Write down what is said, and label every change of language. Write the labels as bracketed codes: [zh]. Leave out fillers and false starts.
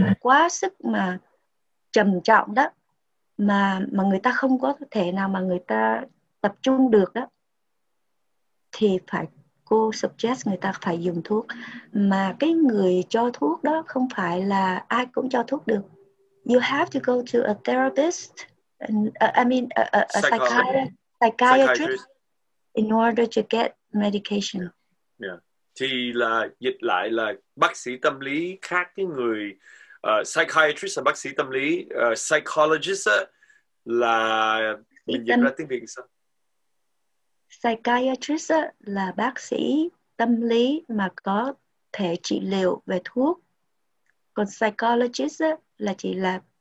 [vi] nề, quá sức mà trầm trọng đó, mà người ta không có thể nào mà người ta tập trung được đó, thì phải cô suggest người ta phải dùng thuốc. Mà cái người cho thuốc đó không phải là ai cũng cho thuốc được. [en] You have to go to a therapist, Psychologist. a psychiatrist Psychiatrist. in order to get medication. [vi] Thì là dịch lại là bác sĩ tâm lý khác cái người psychiatrist là bác sĩ tâm lý, psychologist là Sĩ mình dịch ra tiếng Việt sao? psychiatrist là bác sĩ tâm lý mà có thể trị liệu về thuốc. Còn psychologist là chỉ là